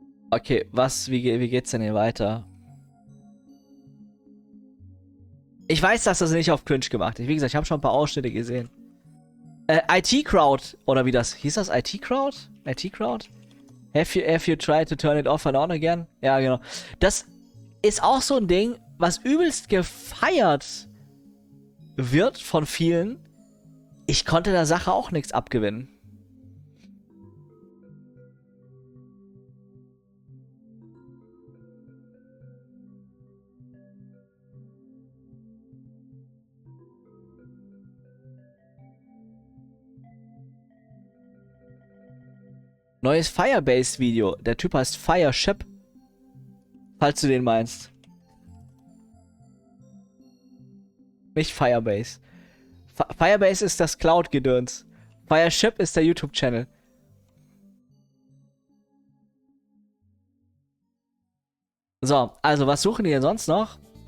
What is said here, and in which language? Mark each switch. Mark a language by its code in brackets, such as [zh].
[de] Okay, wie geht's denn hier weiter? Ich weiß, dass das nicht auf cringe gemacht ist. Wie gesagt, ich habe schon ein paar Ausschnitte gesehen. IT-Crowd, oder wie das? Hieß das IT-Crowd? IT-Crowd? [en] Have you tried to turn it off and on again? [de] Ja, genau. Das ist auch so ein Ding, was übelst gefeiert wird von vielen. Ich konnte der Sache auch nichts abgewinnen. Neues Firebase-Video. Der Typ heißt Fireship. Falls du den meinst. Nicht Firebase. Firebase ist das Cloud-Gedöns. Fireship ist der YouTube-Channel. So, also was suchen die denn sonst noch?